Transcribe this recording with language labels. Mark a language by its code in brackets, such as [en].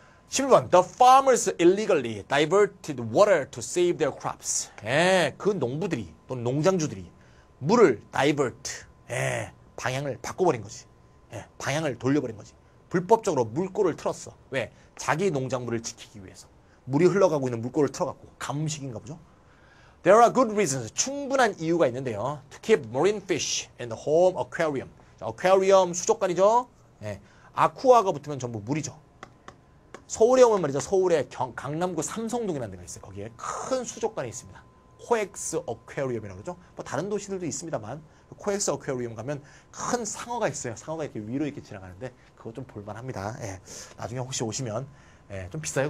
[en] 11번, the farmers illegally diverted water to save their crops. [ko] 예, 그 농부들이 또는 농장주들이 물을 divert, 예, 방향을 바꿔버린 거지. 예, 방향을 돌려버린 거지. 불법적으로 물꼬를 틀었어. 왜? 자기 농작물을 지키기 위해서. 물이 흘러가고 있는 물꼬를 틀어갖고 감식인가 보죠. [en] There are good reasons. [ko] 충분한 이유가 있는데요. [en] To keep marine fish in the home aquarium. [ko] Aquarium 수족관이죠. 예, 아쿠아가 붙으면 전부 물이죠. 서울에 오면 말이죠. 서울에 강남구 삼성동이라는 데가 있어요. 거기에 큰 수족관이 있습니다. 코엑스 어쿠아리움이라고 그러죠. 뭐 다른 도시들도 있습니다만 코엑스 어쿠아리움 가면 큰 상어가 있어요. 상어가 이렇게 위로 이렇게 지나가는데 그거 좀 볼만합니다. 예, 나중에 혹시 오시면 예, 좀 비싸요.